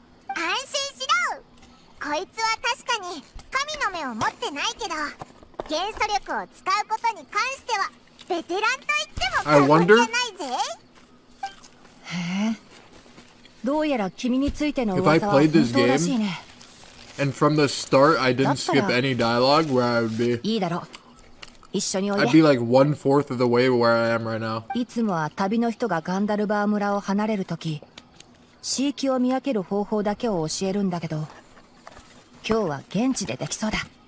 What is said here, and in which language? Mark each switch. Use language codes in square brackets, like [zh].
[ja] こいつは確かに神の目を持ってないけど、元素力を使うことに関してはベテランと言っても過言じゃないぜ。どうやら君についての噂は本当らしいね。 [en] And from the start, I didn't skip any dialogue where I would be. I'd be like 1/4 of the way where I am right now. [ja] いつもは旅の人がガンダルバー村を離れるとき、地域を見分ける方法だけを教えるんだけど、今日は現地でできそうだ。